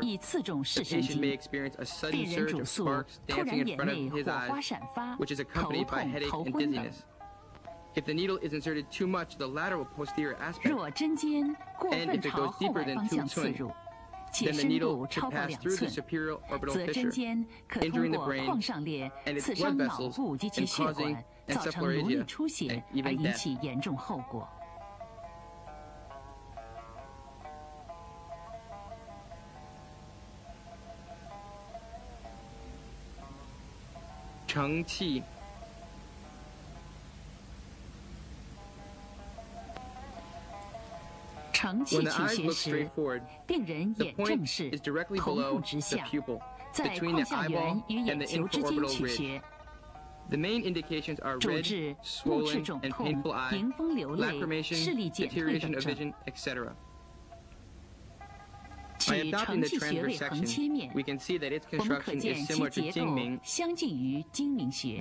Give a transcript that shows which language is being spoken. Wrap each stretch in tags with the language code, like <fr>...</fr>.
<en>The patient may experience a sudden surge of sparks dancing in front of his eyes, which is accompanied by headache and dizziness. If the needle is inserted too much the lateral posterior aspect, and if it goes deeper than 2 寸, then the needle should pass through the superior orbital fissure, injuring the brain and its blood vessels and causing...</en> <zh>造成颅内出血而引起严重后果。成器。成器取穴时，病人眼正视，头目直下，在眶下缘与眼球之间取穴。</zh> <en>The main indications are red, swollen, and painful eye, lacrimation, deterioration of vision, etc. By adopting the transverse section, we can see that its construction is similar to Jingming.</en>